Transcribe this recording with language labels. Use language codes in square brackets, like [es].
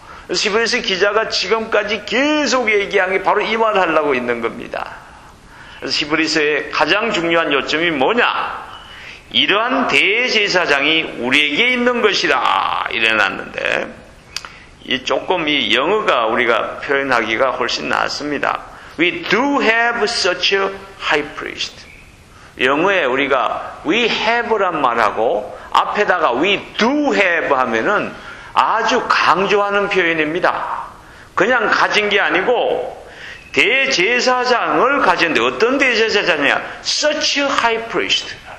[ko] 히브리서 기자가 지금까지 계속 얘기한 게 바로 이 말을 하려고 있는 겁니다. 히브리서의 가장 중요한 요점이 뭐냐? 이러한 대제사장이 우리에게 있는 것이라 이래놨는데 이 조금 이 영어가 우리가 표현하기가 훨씬 낫습니다. [en] We do have such a high priest. [ko] 영어에 우리가 we have란 말하고 앞에다가 [en] we do have [ko] 하면은 아주 강조하는 표현입니다. 그냥 가진 게 아니고 대제사장을 가졌는데 어떤 대제사장이냐? [en] Such a high priest.